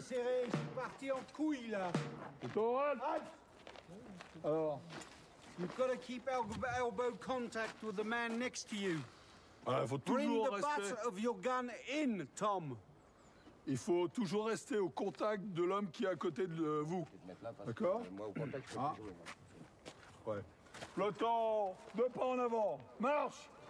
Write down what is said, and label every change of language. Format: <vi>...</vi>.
<fr>C'est serré, je suis parti en couille là! C'est ton rôle? Alors?</fr> <en>You've got to keep elbow contact with the man next to you.</en> <fr>Alors, faut toujours</fr> <en>bring the respect. Butt of your gun in, Tom.</en> <fr>Il faut toujours rester au contact de l'homme qui est à côté de vous. D'accord? Ah. Ouais. Peloton, deux pas en avant. Marche!</fr>